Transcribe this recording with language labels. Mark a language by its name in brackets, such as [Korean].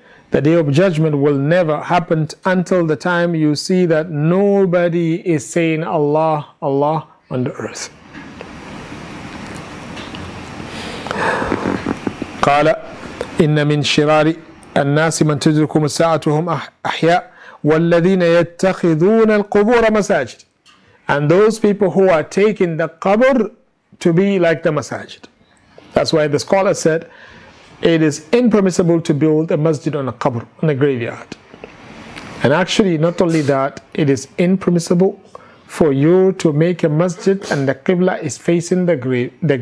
[English] The day of judgment will never happen until the time you see that nobody is saying Allah, Allah on the earth. [Arabic] قال إن من شرار الناس من تدرك الساعة وهم أحياء والذين يتخذون القبور مساجد. [English] And those people who are taking the qabr to be like the masajid. That's why the scholar said, it is impermissible to build a masjid on a qabr, on a graveyard. And actually, not only that, it is impermissible for you to make a masjid and the qibla is facing the grave.